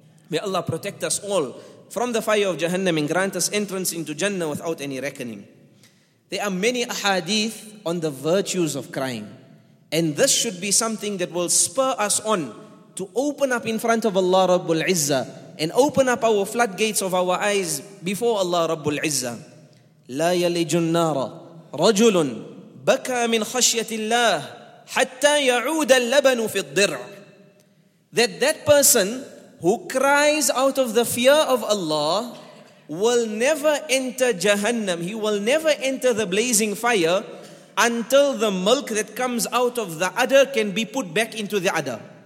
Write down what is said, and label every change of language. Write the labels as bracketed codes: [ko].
[en] May Allah protect us all from the fire of Jahannam and grant us entrance into Jannah without any reckoning. There are many ahadith on the virtues of crying. And this should be something that will spur us on to open up in front of Allah Rabbul Izzah and open up our floodgates of our eyes before Allah Rabbul Izzah. [ar] لا يلج النار رجل بكى من خشية الله حتى يعود اللبن في الضرع. [en] That person who cries out of the fear of Allah will never enter Jahannam. He will never enter the blazing fire until the milk that comes out of the udder can be put back into the udder.